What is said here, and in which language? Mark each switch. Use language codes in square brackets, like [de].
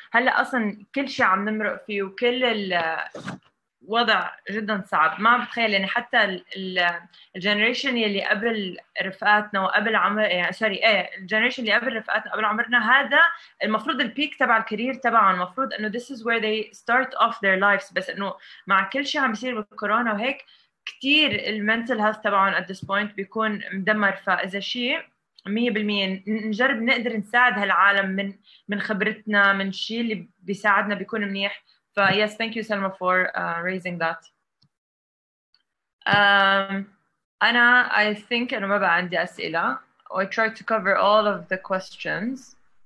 [ar] هلأ أصلا كل شيء عم نمرق فيه وكل الوضع جدا صعب، ما بتخيل يعني حتى الجنريشن يلي قبل رفقاتنا وقبل عمر يعني سوري الجنريشن اللي قبل رفقاتنا قبل عمرنا، هذا المفروض البيك تبع الكارير تبعهم، المفروض انه [en] this is where they start off their lives. [ar] بس انه مع كل شيء عم بيصير بالكورونا وهيك كتير المنتل هيلث تبعهم [en] at this point [ar] بيكون مدمر. فاذا شيء 100% نجرب نقدر نساعد هالعالم من خبرتنا، من شيء اللي بيساعدنا بيكون منيح. [en] ف yes, thank you Selma for raising that. [ar] أنا [en] I think [ar] أنا ما بقى عندي أسئلة. [en] I tried to cover all of the questions.